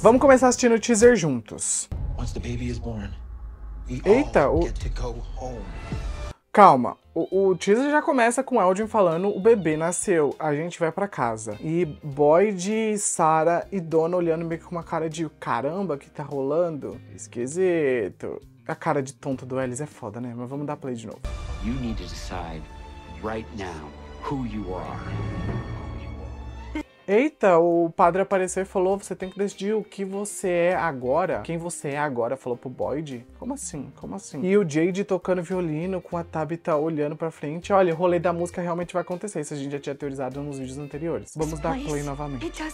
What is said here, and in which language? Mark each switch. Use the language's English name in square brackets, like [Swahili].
[Portuguese] Vamos começar assistindo o teaser juntos. [English] Once the baby is born, we [Portuguese] Eita, [English] all get to go home. [Portuguese] Calma. O teaser já começa com o Eldin falando: o bebê nasceu, a gente vai pra casa. E Boyd, Sarah e Donna olhando meio que com uma cara de caramba, que tá rolando? Esquisito. A cara de tonto do Ellis é foda, né? Mas vamos dar play de novo. [English] You need to decide right now who you are. [Portuguese] Eita, o padre apareceu e falou: você tem que decidir o que você é agora. Quem você é agora, falou pro Boyd. Como assim? Como assim? E o Jade tocando violino com a Tabitha olhando pra frente. Olha, o rolê da música realmente vai acontecer. Isso a gente já tinha teorizado nos vídeos anteriores. Vamos dar play novamente.